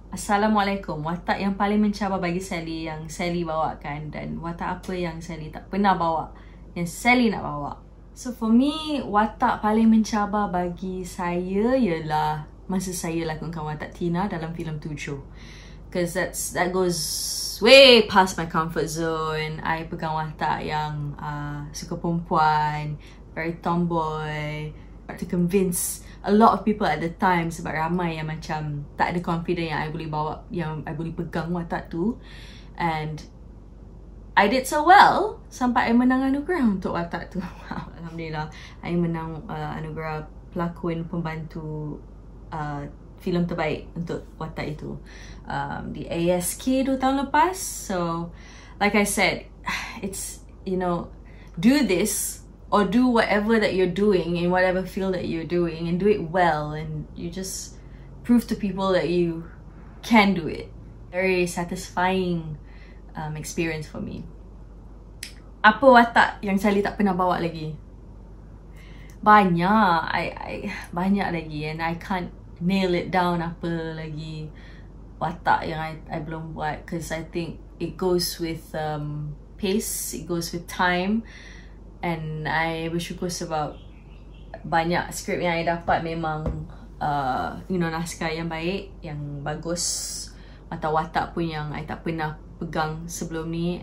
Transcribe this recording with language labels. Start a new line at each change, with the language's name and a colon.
Malay: Assalamualaikum. Watak yang paling mencabar bagi Sally yang Sally bawakan, dan watak apa yang Sally tak pernah bawa yang Sally nak bawa?
English: So for me,
Malay: watak paling mencabar bagi saya ialah masa saya lakonkan watak Tina dalam filem 7.
English: Because that goes way past my comfort zone.
Malay: I pegang watak yang suka perempuan,
English: very tomboy. To convince a lot of people at the time
Malay: sebab ramai yang macam tak ada confidence yang I boleh bawa, yang I boleh pegang watak tu.
English: And I did so well
Malay: sampai I menang anugerah untuk watak tu. Alhamdulillah, I menang anugerah pelakon pembantu filem terbaik untuk watak itu di ASK 2 tahun lepas.
English: So like I said, it's, you know, do this or do whatever that you're doing in whatever field that you're doing, and do it well, and you just prove to people that you can do it. Very satisfying experience for me.
Malay: Apa watak yang Sally tak pernah bawa lagi? Banyak lagi,
English: and I can't nail it down
Malay: apa lagi watak yang I belum buat,
English: because I think it goes with pace, it goes with time.
Malay: And I bersyukur sebab banyak skrip yang I dapat memang naskah yang baik, yang bagus, atau watak pun yang I tak pernah pegang sebelum ni.